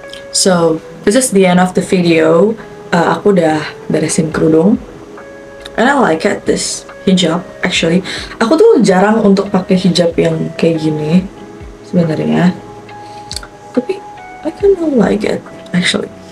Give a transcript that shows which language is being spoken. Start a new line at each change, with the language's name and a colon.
English: So, this is the end of the video.
Indonesian: Aku udah beresin kerudung.
English: And I like it, this hijab, actually.
Indonesian: Aku tuh jarang untuk pakai hijab yang kayak gini sebenarnya. Tapi,
English: I kind of like it, actually.